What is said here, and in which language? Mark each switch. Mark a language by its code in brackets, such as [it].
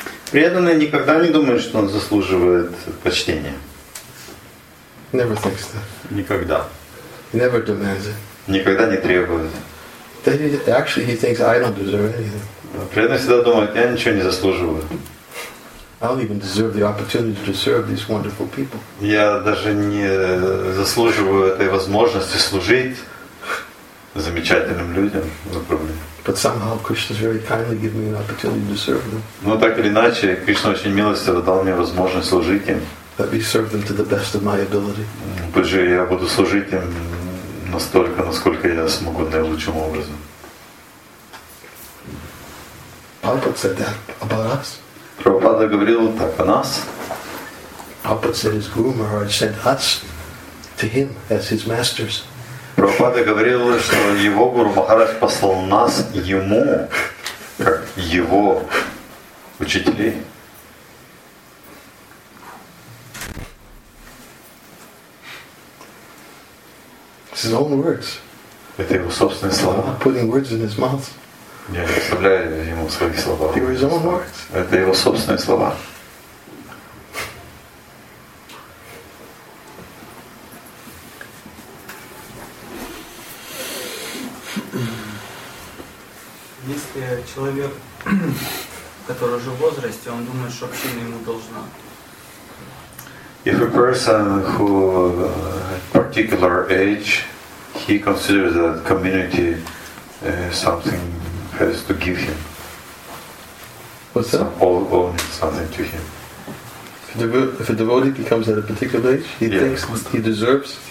[ru] Преданный никогда не думает, что он заслуживает почтения. [en] Never thinks that. [ru] Никогда. [en] Never demands it. [ru] Никогда не требует. [en] Actually, he thinks I don't deserve anything. [ru] Преданный всегда думает, я ничего не заслуживаю. [en] I don't even deserve the opportunity to serve these wonderful people. [ru] Я даже не заслуживаю этой возможности служить замечательным людям в управлении. [en] But somehow Krishna has very kindly given me an opportunity to serve them. [ru] Но так или иначе, Кришна очень милостиво дал мне возможность служить им. [en] Let me serve them to the best of my ability. [ru] Пусть же я буду служить им настолько, насколько я смогу, наилучшим образом. [en] Prabhupada said that about us. [ru] Прабхупада говорил так о нас. [en] Prabhupada said his Guru Maharaj sent us to him as his masters. [ru] Прабхупада говорил, что его Гуру Махарадж послал нас ему, как его учителей. [en] It's his own words. [ru] Это его собственные слова. [en] I'm not putting words in his mouth. [ru] Я не вставляю ему свои слова. [en] They were his own words. [ru] Это его собственные слова. Если человек, который уже в возрасте, он думает, что община ему должна. [en] If a person who at particular age, he considers that community something has to give him. What's that? Owing something to him. If a devotee becomes at a particular age, he thinks he deserves.